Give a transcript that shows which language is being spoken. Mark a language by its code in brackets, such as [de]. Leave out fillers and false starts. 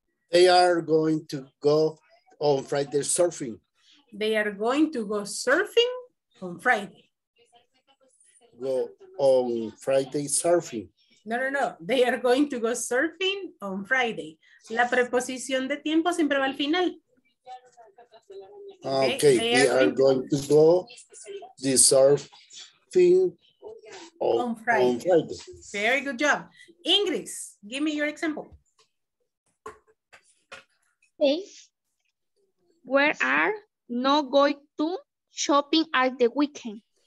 [en] They are going to go on Friday surfing. They are going to go surfing on Friday. Go on Friday surfing. No. They are going to go surfing on Friday. [es] La preposición de tiempo siempre va al final. [en] Okay. They are going to go surfing on Friday. Very good job. Ingrid, give me your example. Hey, we are not going to shopping at the weekend.